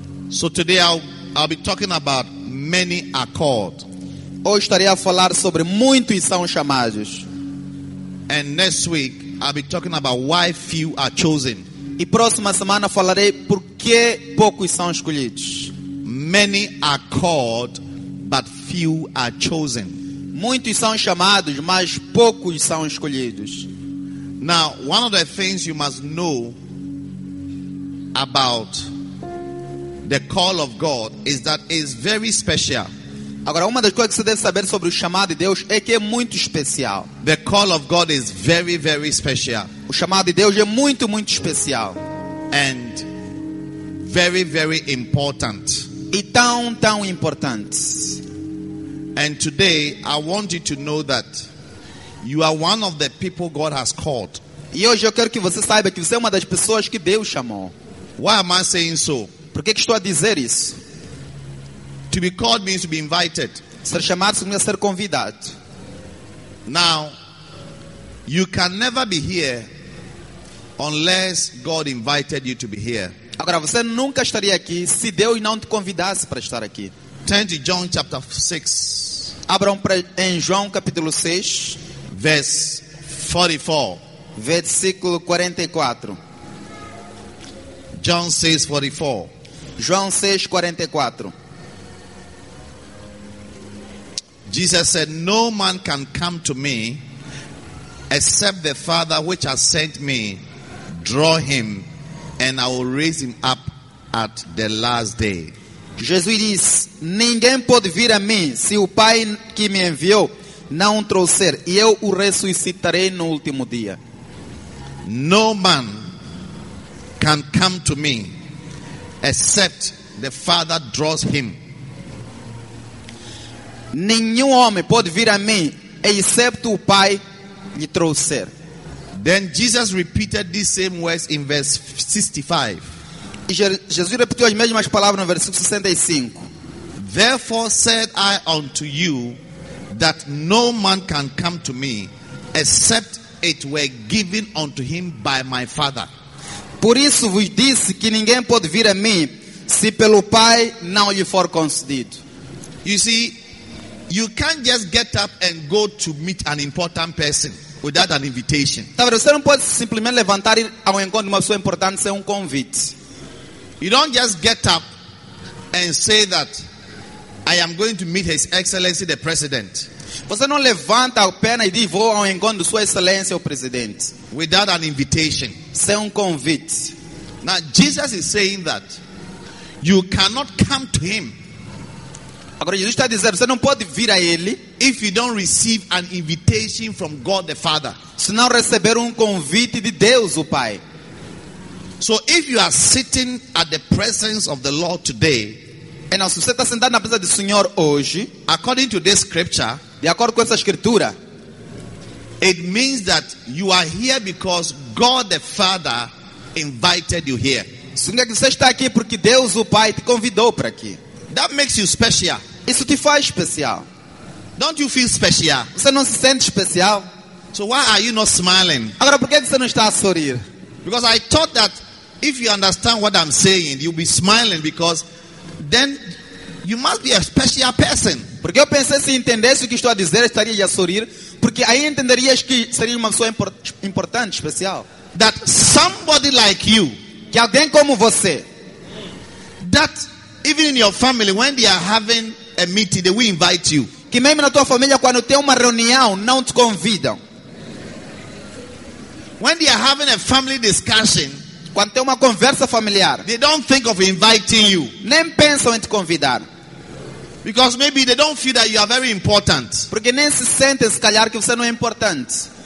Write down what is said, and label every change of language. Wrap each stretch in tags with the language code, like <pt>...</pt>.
<en>So today I'll be talking about many are called.</en> <pt>Hoje estarei a falar sobre muitos são chamados.</pt> <en>And next week I'll be talking about why few are chosen.</en> <pt>E próxima semana falarei por que poucos são escolhidos.</pt> <en>Many are called, but few are chosen.</en> <pt>Muitos são chamados, mas poucos são escolhidos.</pt> <en>Now, one of the things you must know about the call of God is that it's very special.</en> <pt>Agora, uma das coisas que você deve saber sobre o chamado de Deus é que é muito especial.</pt> <en>The call of God is very, very special.</en> <pt>O chamado de Deus é muito, muito especial.</pt> <en>And very, very important.</en> <pt>E tão, tão importante.</pt> <en>And today, I want you to know that you are one of the people God has called.</en> <pt>E hoje eu quero que você saiba que você é uma das pessoas que Deus chamou.</pt> <en>Why am I saying so?</en> <pt>Por que estou a dizer isso?</pt> <en>To be called means to be invited.</en> <pt>Ser chamado significa ser convidado.</pt> <en>Now, you can never be here unless God invited you to be here.</en> <pt>Agora, você nunca estaria aqui se Deus não te convidasse para estar aqui.</pt> <en>Turn to John chapter 6.</en> <pt>Abram em João capítulo 6.</pt> <en>Verse 44.</en> <pt>Versículo 44.</pt> <en>John 6, 44.</en> <pt>João 6, 44.</pt> <en>Jesus said, no man can come to me except the Father which has sent me draw him, and I will raise him up at the last day.</en> <pt>Jesus disse, ninguém pode vir a mim se o Pai que me enviou não trouxer, e eu o ressuscitarei no último dia.</pt> <en>No man can come to me except the Father draws him.</en> <pt>Nenhum homem pode vir a mim, exceto o Pai lhe trouxer.</pt> <en>Then Jesus repeated these same words in verse 65.</en> <pt>Jesus repetiu as mesmas palavras no versículo 65.</pt> <en>Therefore said I unto you that no man can come to me except it were given unto him by my Father.</en> <pt>Por isso vos disse que ninguém pode vir a mim se pelo Pai não lhe for concedido.</pt> <en>You see, you can't just get up and go to meet an important person. without an invitation.</en> <pt>Talvez você não pode simplesmente levantar ao encontro de uma pessoa importante sem convite.</pt> <en>You don't just get up and say that I am going to meet His Excellency the President.</en> <pt>Você não levanta a perna e diz vou ao encontro de Sua Excelência o Presidente.</pt> <en>Without an invitation.</en> <pt>Sem convite.</pt> <en>Now Jesus is saying that you cannot come to Him.</en> <pt>Agora Jesus está dizendo você não pode vir a Ele.</pt> <en>If you don't receive an invitation from God the Father.</en> <pt>Se não receber convite de Deus o Pai.</pt> <en>So if you are sitting at the presence of the Lord today.</en> <pt>E não, se você está sentado na presença do Senhor hoje.</pt> <en>According to this scripture.</en> <pt>De acordo com essa escritura.</pt> <en>It means that you are here because God the Father invited you here.</en> <pt>Significa que você está aqui porque Deus o Pai te convidou para aqui.</pt> <en>That makes you special.</en> <pt>Isso te faz especial.</pt> <en>Don't you feel special?</en> <pt>Você não se sente especial?</pt> <en>So why are you not smiling?</en> <pt>Agora por que você não está a sorrir?</pt> <en>Because I thought that if you understand what I'm saying, you'll be smiling because then you must be a special person.</en> <pt>Porque eu pensei se entendesse o que estou a dizer, estaria a sorrir, porque aí entenderias que seria uma pessoa importante, especial.</pt> <en>That somebody like you,</en> <pt>que alguém como você,</pt> <en>that even in your family when they are having a meeting, they will invite you.</en> <pt>Que mesmo na tua família quando tem uma reunião não te convidam.</pt> <en>When they are having a family discussion,</en> <pt>quando tem uma conversa familiar,</pt> <en>they don't think of inviting you.</en> <pt>Nem pensam em te convidar.</pt> <en>Because maybe they don't feel that you are very important.</en> <pt>Porque nem se sentem se calhar que você não é importante.</pt>